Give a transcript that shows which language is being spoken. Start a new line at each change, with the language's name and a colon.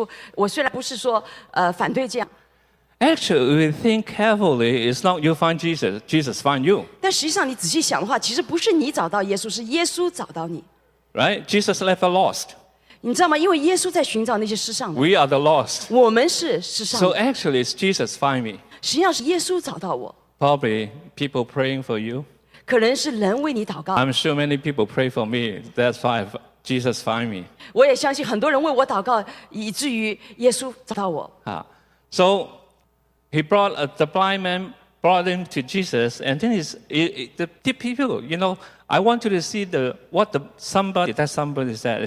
Chinese: 他们经常说，有一天我坐在教会的里面敬拜的时候，我突然就遇见了耶稣。我虽然不是说反对这样。
English: Actually, we think carefully. It's not you find Jesus; Jesus find you.
Chinese: 但实际上，你仔细想的话，其实不是你找到耶稣，是耶稣找到你。
English: Right? Jesus left a lost.
Chinese: 你知道吗？因为耶稣在寻找那些失丧的。
English: We are the lost.
Chinese: 我们是失丧的。
English: So actually, it's Jesus find me.
Chinese: 实际上是耶稣找到我。
English: Probably people praying for you.
Chinese: 可能是人为你祷告。
English: I'm sure many people pray for me. That's why Jesus find me.
Chinese: 我也相信很多人为我祷告，以至于耶稣找到我。
English: So he brought the blind man brought him to Jesus, and then he's the people. You know, I want you to see what somebody said.